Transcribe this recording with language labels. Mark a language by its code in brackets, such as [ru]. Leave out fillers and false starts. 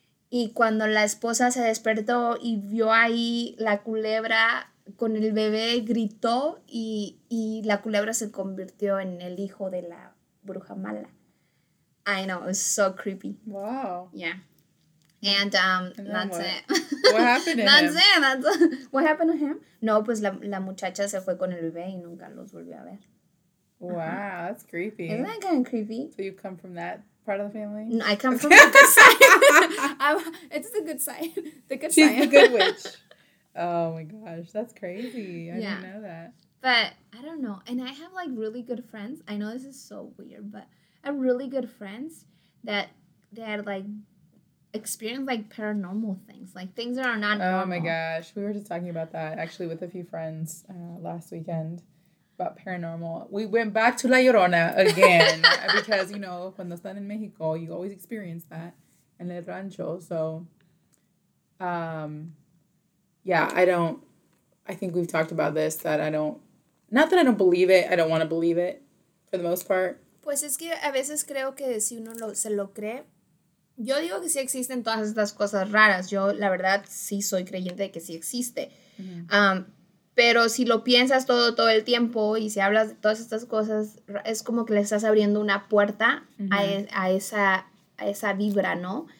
[es] Y cuando la esposa se despertó y vio ahí la culebra con el bebé, gritó y la culebra se convirtió en el hijo de la bruja mala. [en] I know, it's so creepy. Wow. Yeah. And that's what happened to him? No, pues la muchacha se fue con el bebé y nunca los volvió a ver. Wow, that's creepy. Isn't that kind of creepy? So you come from that part of the family? No, I come from the good side. It's the good side. She's the good witch. Oh my gosh, that's crazy. I didn't know that. But I don't know. And I have like really good friends. I know this is so weird, but I have really good friends that they had like experience like paranormal things, like things that are not normal. Oh my gosh, we were just talking about that actually with a few friends last weekend about paranormal. We went back to La Llorona again because you know, when the sun in Mexico, you always experience that in El Rancho. So, I think we've talked about this that I don't believe it, I don't want to believe it for the most part. [es] Pues es que a veces creo que si uno se lo cree. Yo digo que sí existen todas estas cosas raras. Yo, la verdad, sí soy creyente de que sí existe. Mm-hmm. Pero si lo piensas todo el tiempo y si hablas de todas estas cosas, es como que le estás abriendo una puerta a esa vibra, ¿no?